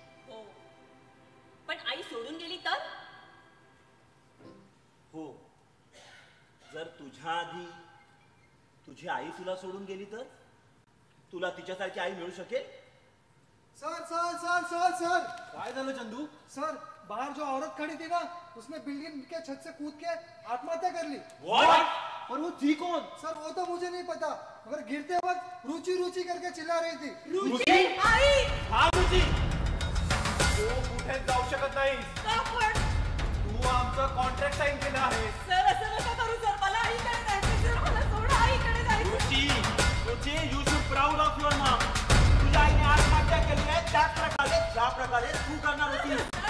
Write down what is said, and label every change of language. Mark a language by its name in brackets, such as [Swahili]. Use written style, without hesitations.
[Marathi] हो, पण आई सोडून गेली तर. हो, जर तुझ्या आधी तुझी आई तुला सोडून गेली तर तुला तिच्यासारखी आई मिळू शकेल. Sir sir sir sir sir, काय झालं चंदू. [Hindi] सर, बाहेर जो औरत खड़ी थी ना उसने बिल्डिंग के छत से कूद के आत्महत्या कर ली. [English] What? [Hindi] पर वो थी कौन? सर वो तो मुझे नहीं पता, मगर गिरते वक्त रुचि रुचि करके चिल्ला रही थी. [Marathi] रुचि आई. हां रुचि. वो कुठे जाऊ शकत नाही. का पण तू आमचा कॉन्ट्रॅक्ट साइन केला आहे. सर असं नका करू. सर मला आई कडे जायचे. सर मला सोड आई कडे जायचे. [English] Ruchi Ruchi, you should proud of your mom. [Marathi] आईने आत्महत्या केली आहे त्याच प्रकारे ज्या प्रकारे तू करणार होती.